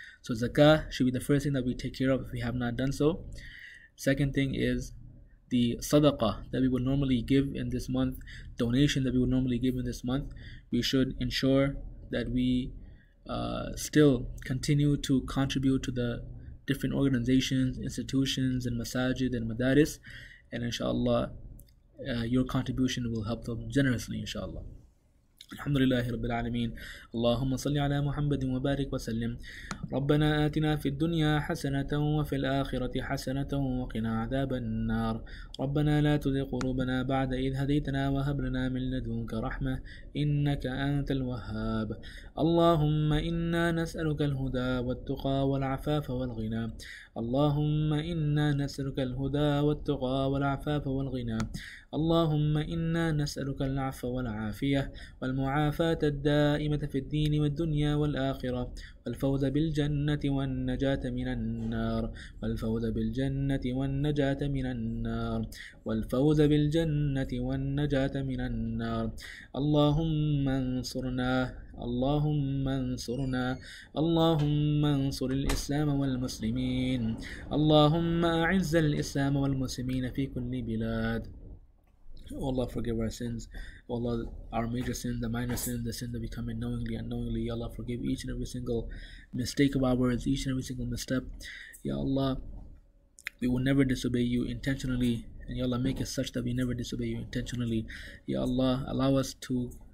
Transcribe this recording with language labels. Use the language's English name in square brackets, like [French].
[English] So zakah should be the first thing that we take care of if we have not done so. Second thing is the sadaqah that we would normally give in this month, donation that we would normally give in this month. We should ensure that we still continue to contribute to the different organizations, institutions, and masajid and madaris. And inshallah, your contribution will help them generously, inshallah. [Arabic] الحمد لله رب العالمين اللهم صل على محمد وبارك وسلم ربنا آتنا في الدنيا حسنة وفي الآخرة حسنة وقنا عذاب النار ربنا لا تزغ قلوبنا بعد إذ هديتنا وهب لنا من لدنك رحمة إنك أنت الوهاب اللهم إنا نسألك الهدى والتقى والعفاف والغنى اللهم إنا نسألك الهدى والتقى والعفاف والغنى اللهم إنا نسألك العفو والعافية والمعافاة الدائمة في الدين والدنيا والآخرة والفوز بالجنة والنجاة من النار والفوز بالجنة والنجاة من النار والفوز بالجنة والنجاة من النار اللهم انصرنا اللهم انصرنا اللهم انصر الإسلام والمسلمين اللهم أعز الإسلام والمسلمين في كل بلاد [English] Oh Allah, forgive our sins. Oh Allah, our major sins, the minor sins, the sins that we commit knowingly, unknowingly. Ya Allah, forgive each and every single mistake of ours, each and every single misstep. Ya Allah, we will never disobey you intentionally. And Ya Allah, make it such that we never disobey you intentionally. Ya Allah, allow us to,